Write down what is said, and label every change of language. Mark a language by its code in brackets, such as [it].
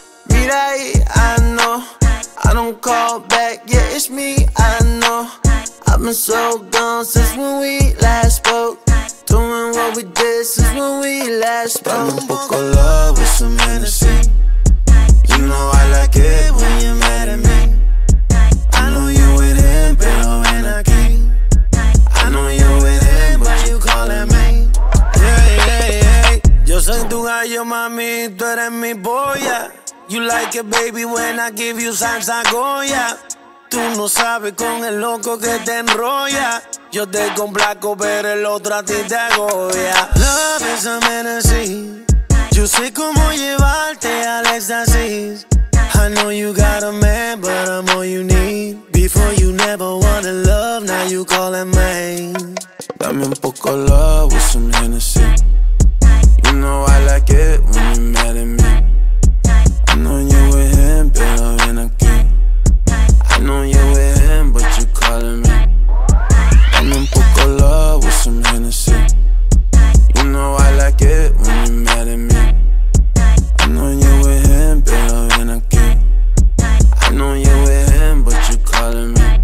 [es] Mira ahí, [en] I know I don't call back, yeah, it's me, I know. I've been so gone since when we last spoke. Doing what we did since when we last spoke. Let me poke a love with some Hennessy. You know I like it when you're mad at me. I know you with him, [es] pero ven aquí. [en] I know you with him, but you calling me. Yeah, yeah, yeah. [es] Yo soy tu gallo, mami, tú eres mi boya. [en] You like it, baby, when I give you salsa Goya. [es] Tú no sabes con el loco que te enrolla. Yo te complaco, pero el otro a ti te agobia. [en] Love is a menacing. [es] Yo sé cómo llevarte al éxtasis. [en] I know you got a man, but I'm all you need. Before you never wanted love, now you calling me. [es] Dame un poco [en] love with some Hennessy. You know I like it when you're mad at me. I know you with him, [es] pero ven aquí. [en] I know you with him, but you calling me. [es] Dame un poco [en] love with some Hennessy. You know I like it when you're mad at me. I know you with him, [es] pero ven aquí. [en] I know you with him, but you calling me.